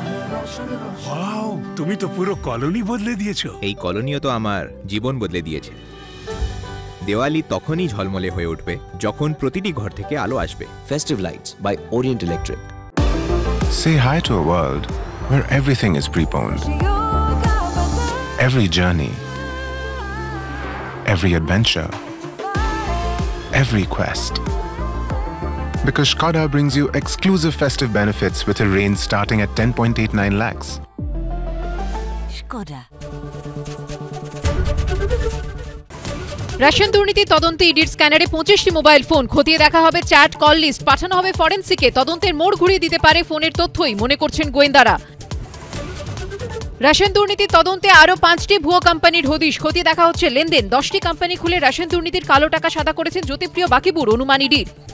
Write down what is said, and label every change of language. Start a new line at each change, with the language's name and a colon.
Bangla: Wow, তুমি তো পুরো কলোনি বদলে দিয়েছো। এই কলোনিও তো আমার জীবন বদলে দিয়েছে। দেওয়ালি তখনই ঝলমলে হয়ে উঠবে যখন প্রতিটি ঘর থেকে আলো আসবে।
English: Festive lights by Orient Electric. Say hi to a world where everything is preponed. Every journey, every adventure, every quest. Because Skoda brings you exclusive festive benefits with a range starting at 10.89 lakhs. Skoda.
Bangla: Ration দুর্নীতি তদন্তে ইডির স্ক্যানারে 25টি mobile phone খতিয়ে দেখা হবে, chat call list পাঠানো হবে ফরেন্সিকে, তদন্তের মোড় ঘুরিয়ে দিতে পারে ফোনের তথ্যই মনে করছেন গোয়েন্দারা। রেশন দুর্নীতি তদন্তে আরও 5টি ভুয়ো কোম্পানির হদিশ খতিয়ে দেখা হচ্ছে লেনদেন, 10টি কোম্পানি খুলে রেশন দুর্নীতির কালো টাকা সাদা করেছেন জ্যোতিপ্রিয় বাকিপুর, অনুমান ইডির।